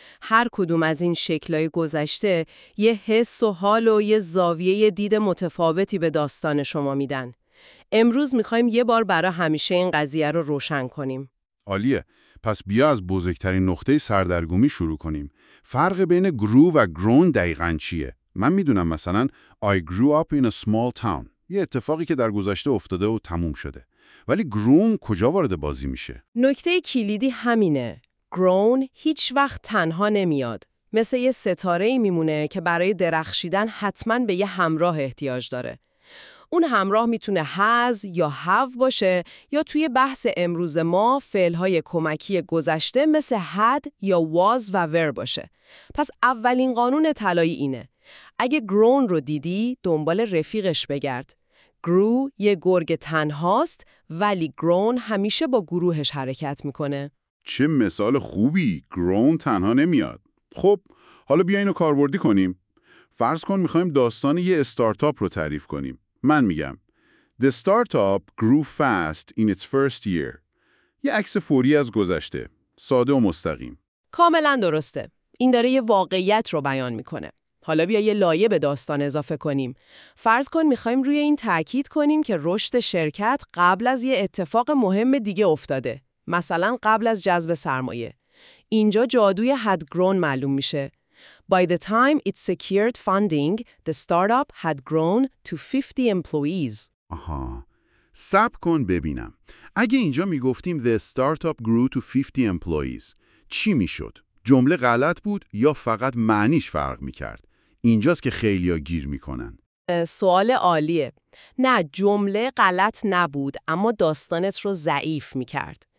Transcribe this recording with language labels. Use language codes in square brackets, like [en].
[fa] هر کدوم از این شکلهای گذشته یه حس و حال و یه زاویه دید متفاوتی به داستان شما میدن. امروز میخوایم یه بار برای همیشه این قضیه رو روشن کنیم. عالیه. پس بیا از بزرگترین نقطه سردرگمی شروع کنیم. فرق بین grew و grown دقیقاً چیه؟ من میدونم مثلا [en] I grew up in a small town. [fa] یه اتفاقی که در گذشته افتاده و تموم شده. ولی grown کجا وارد بازی میشه؟ نکته کلیدی همینه. grown هیچ وقت تنها نمیاد. مثل یه ستاره‌ای میمونه که برای درخشیدن حتماً به یه همراه احتیاج داره. اون همراه میتونه has یا have باشه یا توی بحث امروز ما فعل‌های کمکی گذشته مثل had یا was و were باشه. پس اولین قانون طلایی اینه. اگه grown رو دیدی دنبال رفیقش بگرد. grew یه گرگ تنهاست ولی grown همیشه با گروهش حرکت میکنه. چه مثال خوبی. grown تنها نمیاد. خب حالا بیا اینو کاربردی کنیم. فرض کن میخوایم داستان یه استارتاپ رو تعریف کنیم. من میگم [en] The startup grew fast in its first year. [fa] یه عکس فوری از گذشته. ساده و مستقیم. کاملا درسته. این داره یه واقعیت رو بیان میکنه. حالا بیا یه لایه به داستان اضافه کنیم. فرض کن میخوایم روی این تأکید کنیم که رشد شرکت قبل از یه اتفاق مهم دیگه افتاده. مثلا قبل از جذب سرمایه. اینجا جادوی had grown معلوم میشه. [en] By the time it secured funding, the startup had grown to 50 employees. [fa] آها. سب کن ببینم. اگه اینجا میگفتیم [en] the startup grew to 50 employees، [fa] چی میشد؟ جمله غلط بود یا فقط معنیش فرق میکرد؟ اینجاست که خیلیا گیر میکنن. سوال عالیه. نه، جمله غلط نبود، اما داستانت رو ضعیف میکرد.